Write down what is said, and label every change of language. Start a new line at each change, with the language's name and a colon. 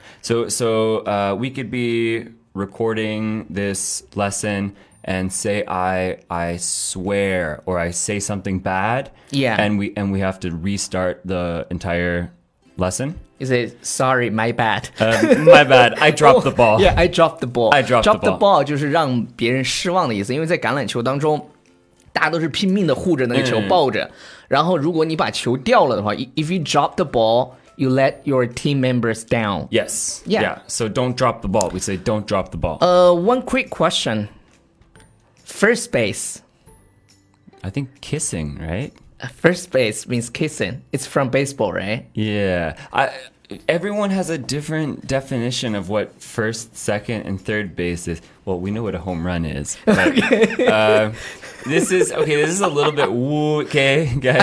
English: So we could be recording this lesson... And say I swear or I say something bad. Yeah. And we have to restart the entire lesson. You say, sorry, my bad. My bad. I dropped the ball. Yeah, I dropped the ball. I dropped the ball. Drop the ball
Chinese: 就是让别人失望的意思。因为在橄榄球当中大家都是拼命的护着那个球抱着、嗯、然后如果你把球掉了的话
English: if you drop the ball you let your team members down yes yeah. yeah so don't drop the ball we say don't drop the ball one quick question first base I think kissing right first base means kissing it's from baseball right yeah everyone has a different definition of what first second and third base is well we know what a home run is but, okay This is a little bit woo, okay, guys?